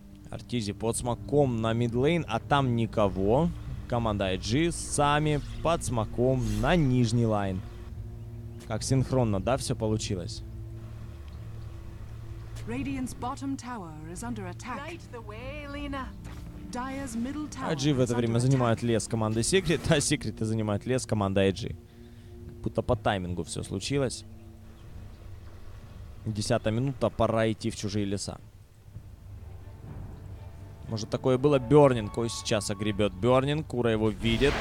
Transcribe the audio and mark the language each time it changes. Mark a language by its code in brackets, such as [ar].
[ru] Артизи под смоком на мидлейн, а там никого. Команда IG сами под смоком на нижний лайн. Как синхронно, да, все получилось? [en] Radiant's bottom tower is under attack. Light the way, Lena. Dire's middle tower. [ru] IG в это время занимает лес команды Secret, а Secret занимает лес команды IG. Как будто по таймингу все случилось. 10-я минута, пора идти в чужие леса. Может, такое было? Бёрнинг. Ой, сейчас огребет Бёрнинг. Кура его видит.